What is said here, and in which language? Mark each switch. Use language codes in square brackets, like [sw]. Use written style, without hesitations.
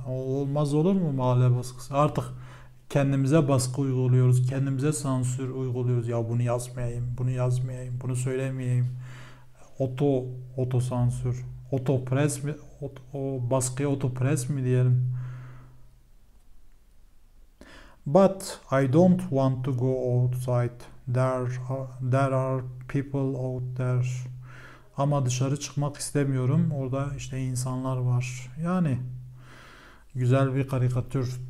[tr] Olmaz olur mu mahalle baskısı? Artık kendimize baskı uyguluyoruz. Kendimize sansür uyguluyoruz. Ya bunu yazmayayım, bunu yazmayayım, bunu söylemeyeyim. Otosansür. Otopres mi? O baskıya otopres mi diyelim? [en] But I don't want to go outside. There are people out there. [tr] Ama dışarı çıkmak istemiyorum. Orada işte insanlar var. Yani güzel bir karikatür.